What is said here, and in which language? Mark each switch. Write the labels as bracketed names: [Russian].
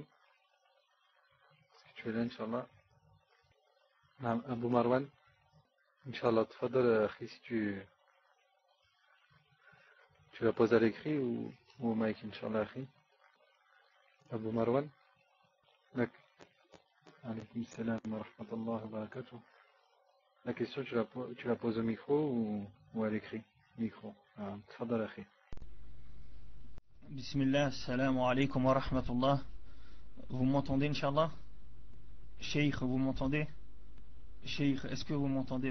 [French] Est-ce que tu es là, Inch'Allah? Non, Abu Marwan. Inch'Allah, tafadhal, si tu vas poser à l'écrit ou au mic, Inch'Allah, akhi. Abu Marwan. D'accord. [Arabic] عليكم السلام ورحمة الله وبركاته. [French] La question, tu la poses au micro ou à l'écrit? Micro. [Arabic] تفضل أخي. بسم الله السلام عليكم ورحمة الله. [French] Vous m'entendez, Inch'Allah? Cheikh, vous m'entendez? Cheikh, est-ce que vous m'entendez?